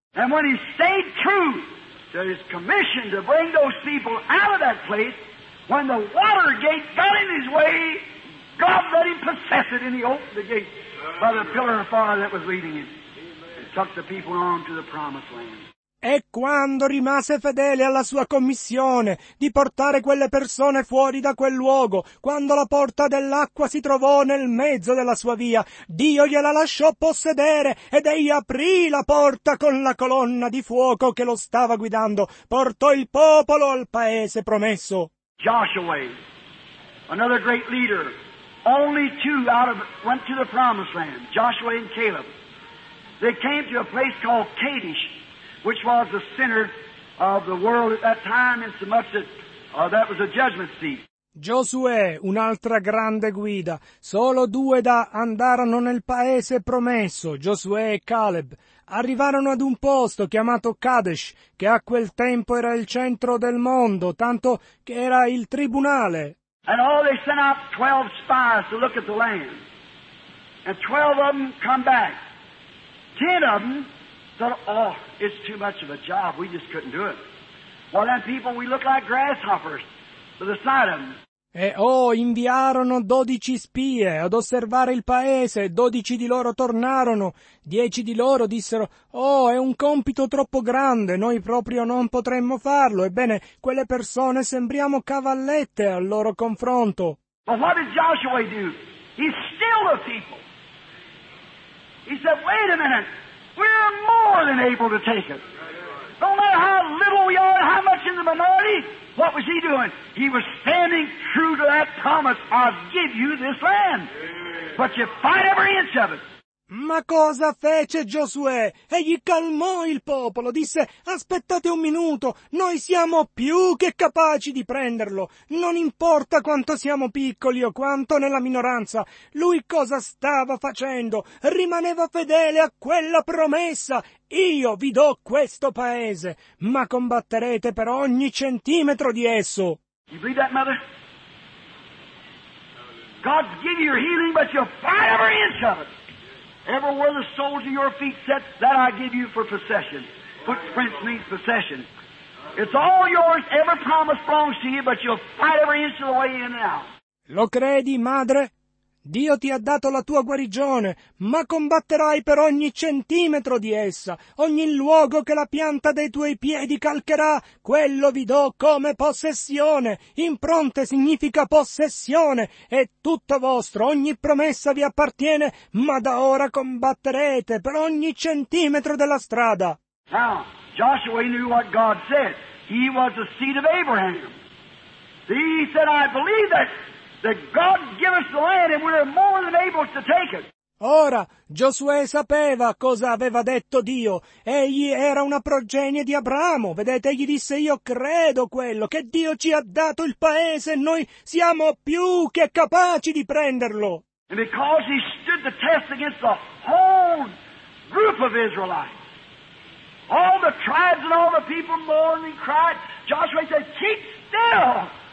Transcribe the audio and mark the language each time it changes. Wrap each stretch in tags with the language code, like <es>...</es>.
<en>And when he stayed true, There is commission to bring those people out of that place. When the water gate got in his way, God let him possess it, and he opened the gate by the pillar of fire that was leading him. And took the people on to the promised land.</en> <it>E quando rimase fedele alla sua commissione di portare quelle persone fuori da quel luogo, quando la porta dell'acqua si trovò nel mezzo della sua via, Dio gliela lasciò possedere ed egli aprì la porta con la colonna di fuoco che lo stava guidando, portò il popolo al paese promesso.</it> <en>Joshua, another great leader, only two out of went to the promised land, Joshua and Caleb. They came to a place called Kadesh, which was the center of the world at that time, in so much that that was a judgment seat.</en> <it>Giosuè, un'altra grande guida, solo due da andarono nel paese promesso, Giosuè e Caleb, arrivarono ad un posto chiamato Kadesh, che a quel tempo era il centro del mondo, tanto che era il tribunale.</it> <en>And all they sent out 12 spies to look at the land. And 12 of them come back. 10 of them said, oh, it's too much of a job, we just couldn't do it. Well, then people, we look like grasshoppers to the side of them.</en> <it>E inviarono 12 spie ad osservare il paese, 12 di loro tornarono, 10 di loro dissero, è un compito troppo grande, noi proprio non potremmo farlo. Ebbene, quelle persone sembriamo cavallette al loro confronto.</it> <en>Ma what did Joshua do? He stilled the people. He said, wait a minute, we're more than able to take it. No matter how little we are, how much in the minority, what was he doing? He was standing true to that promise, I'll give you this land. But you fight every inch of it.</en> <it>Ma cosa fece Giosuè? Egli calmò il popolo, disse, aspettate un minuto, noi siamo più che capaci di prenderlo. Non importa quanto siamo piccoli o quanto nella minoranza, lui cosa stava facendo? Rimaneva fedele a quella promessa. Io vi do questo paese, ma combatterete per ogni centimetro di esso.</it> <en>You believe that, mother? God give you your healing, but you fight every inch of it. Everywhere the soles of your feet set, that I give you for possession. Footprints means possession. It's all yours, every promise belongs to you, but you'll fight every inch of the way in and out.</en> <it>Lo credi, madre? Dio ti ha dato la tua guarigione, ma combatterai per ogni centimetro di essa. Ogni luogo che la pianta dei tuoi piedi calcherà, quello vi do come possessione. Impronte significa possessione, è tutto vostro, ogni promessa vi appartiene, ma da ora combatterete per ogni centimetro della strada.</it> <en>Now, Joshua knew what God said. He was the seed of Abraham. He said, I believe that. That God give us the land and we're more than able to take it.</en> <it>Ora, Giosuè sapeva cosa aveva detto Dio. Egli era una progenie di Abramo. Vedete, egli disse, io credo quello, che Dio ci ha dato il paese e noi siamo più che capaci di prenderlo.</it> <en>And because he stood the test against the whole group of Israelites, all the tribes and all the people mourned and cried, Joshua said, keep still!</en>